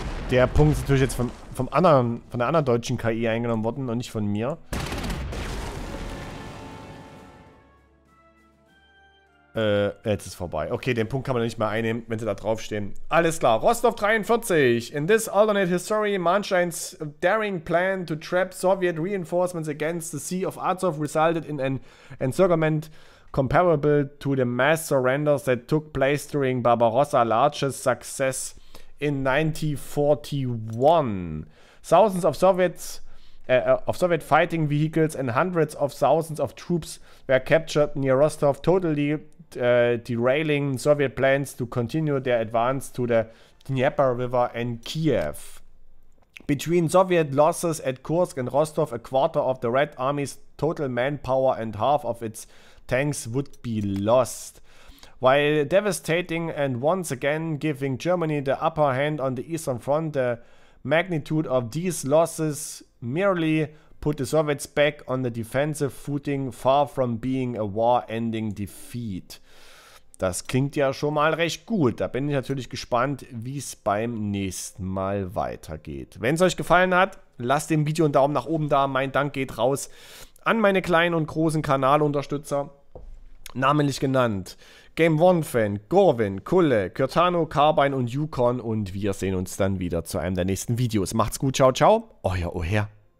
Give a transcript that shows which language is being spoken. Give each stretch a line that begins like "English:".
German: Der Punkt ist natürlich jetzt von der anderen deutschen KI eingenommen worden und nicht von mir. Jetzt ist vorbei. Okay, den Punkt kann man nicht mehr einnehmen, wenn sie da draufstehen. Alles klar. Rostov 43.
English: In this alternate history, Manstein's daring plan to trap Soviet reinforcements against the Sea of Azov resulted in an encirclement comparable to the mass surrenders that took place during Barbarossa's largest success in 1941. Thousands of Soviet fighting vehicles and hundreds of thousands of troops were captured near Rostov, totally derailing Soviet plans to continue their advance to the Dnieper River and Kiev. Between Soviet losses at Kursk and Rostov, a quarter of the Red Army's total manpower and half of its tanks would be lost. While devastating and once again giving Germany the upper hand on the Eastern Front, the magnitude of these losses merely put the Soviets back on the defensive footing, far from being a war-ending defeat.
German: Das klingt ja schon mal recht gut. Da bin ich natürlich gespannt, wie es beim nächsten Mal weitergeht. Wenn es euch gefallen hat, lasst dem Video einen Daumen nach oben da. Mein Dank geht raus an meine kleinen und großen Kanalunterstützer. Namentlich genannt Game One Fan, Gorwin, Kulle, Kyrtano, Carbine und Yukon. Und wir sehen uns dann wieder zu einem der nächsten Videos. Macht's gut, ciao, ciao. Euer Oher.